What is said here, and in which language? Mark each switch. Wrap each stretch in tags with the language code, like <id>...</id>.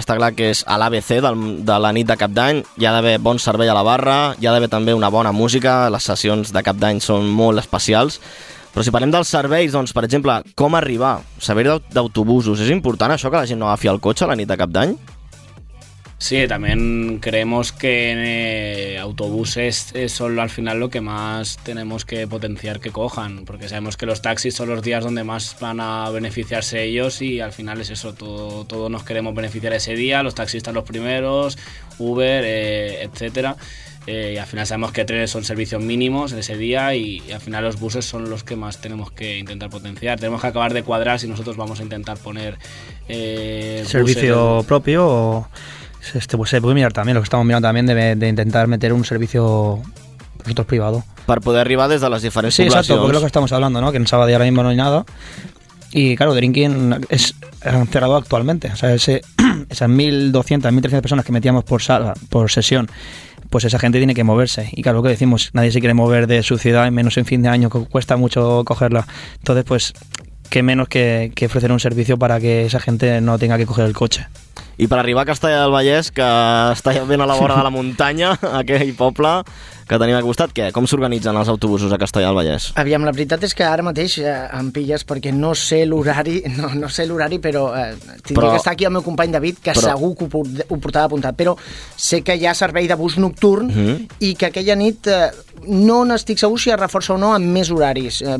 <ca>Està clar que és a l'ABC de la nit de Cap d'Any. Hi ha d'haver bon servei a la barra, hi ha d'haver també una bona música, les sessions de Cap d'Any són molt especials. Però si parlem dels serveis, doncs, per exemple, com arribar? Servei d'autobusos, és important això, que la gent no agafi el cotxe a la nit de Cap d'Any?</ca> <es>Sí, también creemos que autobuses son al final lo que más tenemos que potenciar que cojan, porque sabemos que los taxis son los días donde más van a beneficiarse ellos, y al final es eso, todos nos queremos beneficiar ese día, los taxistas los primeros, Uber, etcétera. Y al final sabemos que trenes son servicios mínimos en ese día, y al final los buses son los que más tenemos que intentar potenciar. Tenemos que acabar de cuadrar si nosotros vamos a intentar poner servicio propio o... pues se puede mirar también, lo que estamos mirando también, de intentar meter un servicio nosotros privado. Para poder arribar desde las diferentes poblaciones. Sí, exacto, porque es lo que estamos hablando, ¿no? Que en Sabadell ahora mismo no hay nada. Y claro, Drinking es cerrado actualmente. O sea, esas 1.200, 1.300 personas que metíamos por sala, por sesión, pues esa gente tiene que moverse. Y claro, lo que decimos, nadie se quiere mover de su ciudad, menos en fin de año, que cuesta mucho cogerla. Entonces, pues, qué menos que ofrecer un servicio para que esa gente no tenga que coger el coche.</es> <ca>I per arribar a Castellà del Vallès, que està ben a la vora de la muntanya, aquell poble que tenim al costat, què? Com s'organitzen els autobusos a Castellà del Vallès? Aviam, la veritat és que ara mateix em pilles, perquè no sé l'horari, però tindria que estar aquí el meu company David, que segur que ho portava apuntat, però sé que hi ha servei de bus nocturn i que aquella nit no n'estic segur si es reforça o no amb més horaris.</ca>